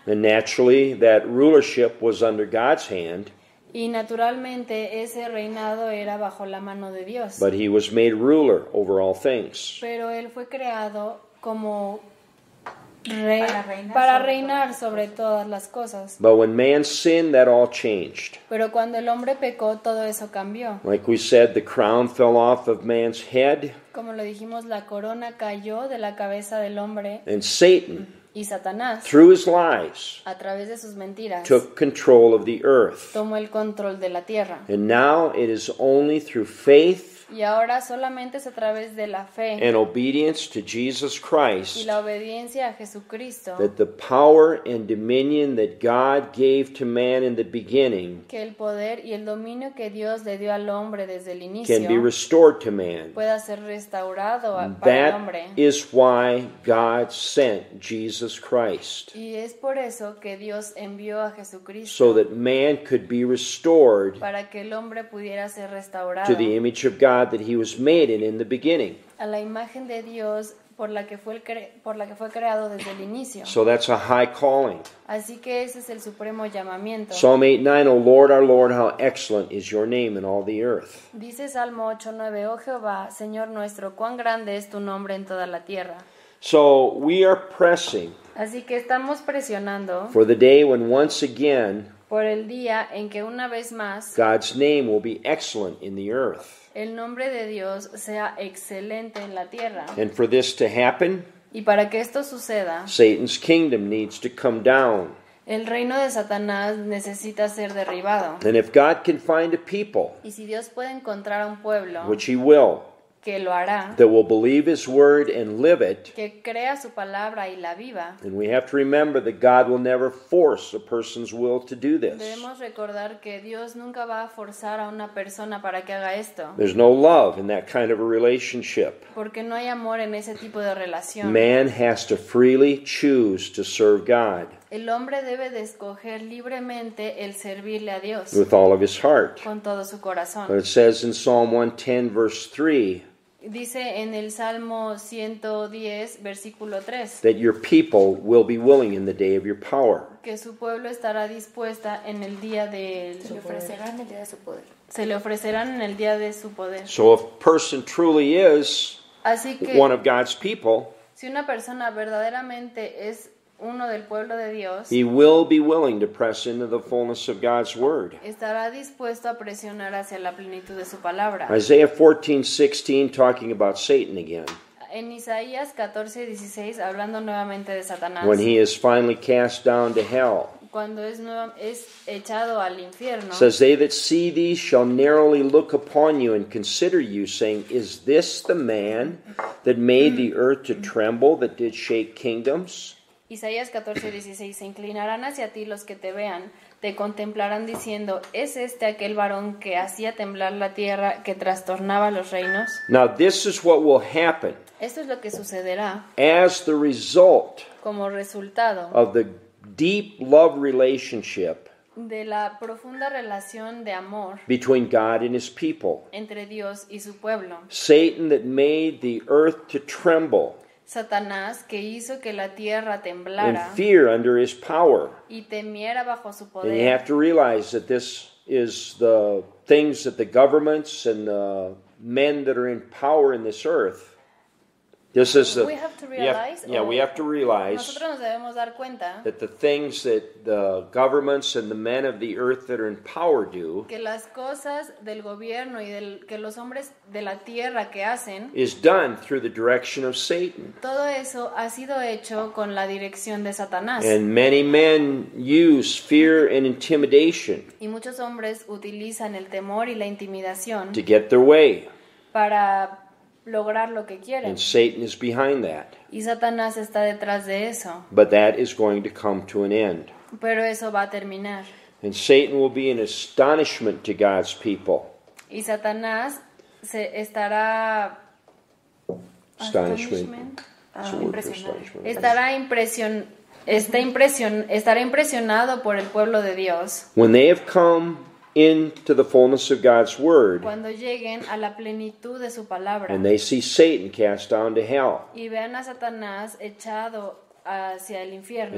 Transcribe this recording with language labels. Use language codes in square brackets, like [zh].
[en] And naturally, that rulership was under God's hand. [es] Y naturalmente, ese reinado era bajo la mano de Dios. [en] But he was made ruler over all things. [es] Pero él fue creado como para reinar sobre todas las cosas. [en] But when man sinned, that all changed. [es] Pero cuando el hombre pecó, todo eso cambió. [en] Like we said, the crown fell off of man's head. [es] Como lo dijimos, la corona cayó de la cabeza del hombre. [en] And Satan, [es] y Satanás, [en] through his lies, [es] a través de sus mentiras, [en] took control of the earth. [es] Tomó el control de la tierra. [en] And now it is only through faith. [es] Y ahora solamente es a través de la fe. [en] And obedience to Jesus Christ. [es] Y la obediencia a Jesucristo. [en] That the power and dominion that God gave to man in the beginning. [es] Que el poder y el dominio que Dios le dio al hombre desde el inicio. [en] Can be restored to man. [es] Pueda ser restaurado para el hombre. [en] That is why God sent Jesus Christ. [es] Y es por eso que Dios envió a Jesucristo. [en] So that man could be restored. [es] Para que el hombre pudiera ser restaurado. [en] To the image of God that he was made in the beginning. [es] A la imagen de Dios por la que fue creado desde el inicio. [en] So that's a high calling. [es] Así que ese es el supremo llamamiento. [en] Psalm 8:9, O Lord, our Lord, how excellent is your name in all the earth. [es] Dice Salmo 8:9, Oh Jehová, Señor nuestro, cuán grande es tu nombre en toda la tierra. [en] So we are pressing. [es] Así que estamos presionando. [en] For the day when once again. [es] Por el día en que una vez más. [en] God's name will be excellent in the earth. [es] El nombre de Dios sea excelente en la tierra. [en] And for this to happen. [es] Y para que esto suceda. [en] Satan's kingdom needs to come down. [es] El reino de Satanás necesita ser derribado. [en] And if God can find a people. [es] Y si Dios puede encontrar a un pueblo. [en] Which he will. [es] Que lo hará. [en] That will believe his word and live it. [es] Que crea su palabra y la viva. [en] And we have to remember that God will never force a person's will to do this. [es] Debemos recordar que Dios nunca va a forzar a una persona para que haga esto. [en] There's no love in that kind of a relationship. [es] Porque no hay amor en ese tipo de relación. [en] Man has to freely choose to serve God. [es] El hombre debe de escoger libremente el servirle a Dios. [en] With all of his heart. [es] Con todo su corazón. [en] But it says in Psalm 110 verse 3. [es] Dice en el Salmo 110 versículo 3. [en] That your people will be willing in the day of your power. [es] Que su pueblo estará dispuesta en el día de su ofrecerán poder. El día de su poder. Se le ofrecerán en el día de su poder. [en] So if a person truly is [es] Así que, [en] one of God's people. [es] Si una persona verdaderamente es uno del pueblo de Dios, [en] he will be willing to press into the fullness of God's word. [es] Estará dispuesto a presionar hacia la plenitud de su palabra. [en] Isaiah 14:16, talking about Satan again. [es] En Isaías 14:16, hablando nuevamente de Satanás. [en] When he is finally cast down to hell. [es] Cuando es echado al infierno. [en] Says they that see thee shall narrowly look upon you and consider you, saying, is this the man that made the earth to tremble, that did shake kingdoms? [es] Isaías 14:16, se inclinarán hacia ti los que te vean, te contemplarán diciendo, ¿es este aquel varón que hacía temblar la tierra, que trastornaba los reinos? [en] Now this is what will happen. [es] Esto es lo que sucederá. [en] As the result. [es] Como resultado. [en] Of the deep love relationship. [es] De la profunda relación de amor. [en] Between God and his people. [es] Entre Dios y su pueblo. [en] Satan that made the earth to tremble. [es] Satanás que hizo que la tierra temblara. [en] And fear under his power. [es] Y temiera bajo su poder. [en] And you have to realize that this is the things that the governments and the men that are in power in this earth. This is the. We have to realize. We have to realize. [es] Nosotros nos debemos dar cuenta. [en] That the things that the governments and the men of the earth that are in power do. [es] Que las cosas del gobierno y que los hombres de la tierra que hacen. [en] Is done through the direction of Satan. [es] Todo eso ha sido hecho con la dirección de Satanás. [en] And many men use fear and intimidation. [es] Y muchos hombres utilizan el temor y la intimidación. [en] To get their way. [es] Para lograr lo que quieren. [en] And Satan is behind that. [es] Y Satanás está detrás de eso. [en] But that is going to come to an end. [es] Pero eso va a terminar. [en] And Satan will be an astonishment to God's people. [es] Y Satanás se estará [en] astonishment. [es] Estará impresionado por el pueblo de Dios. [en] When they have come into the fullness of God's word. [es] Cuando lleguen a la plenitud de su palabra. [en] And they see Satan cast down to hell. [es] Y vean a Satanás echado hacia el infierno.